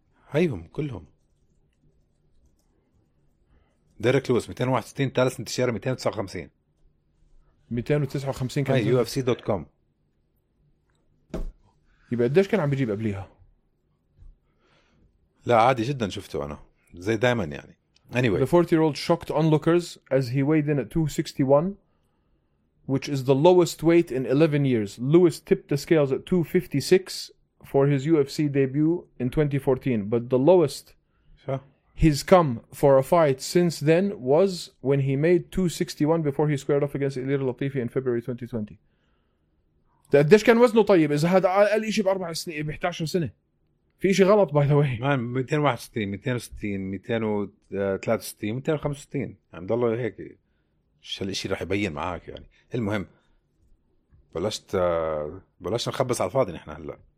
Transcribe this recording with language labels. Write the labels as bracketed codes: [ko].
[ar] هايهم كلهم ديريك لويس 261، تالس انتشار 259. 259 كان يو اف سي دوت كوم. يبقى قديش كان عم بيجيب قبليها؟ لا عادي جدا، شفته انا زي دائما يعني. [en] Anyway. The 40-year-old shocked onlookers as he weighed in at 261, which is the lowest weight in 11 years. Lewis tipped the scales at 256 for his UFC debut in 2014, but the lowest he's come for a fight since then was when he made 261 before he squared off against Ilir Latifi in February 2020. [ar] قديش كان وزنه طيب إذا هذا قال إشي بأربع سنين، ب 11 سنة؟ في شيء غلط [en] By the way. [ar] 261 260 263 265 عم ضل هيك، شو هالشيء رح يبين معك يعني. المهم بلشت نخبص على الفاضي نحن هلا،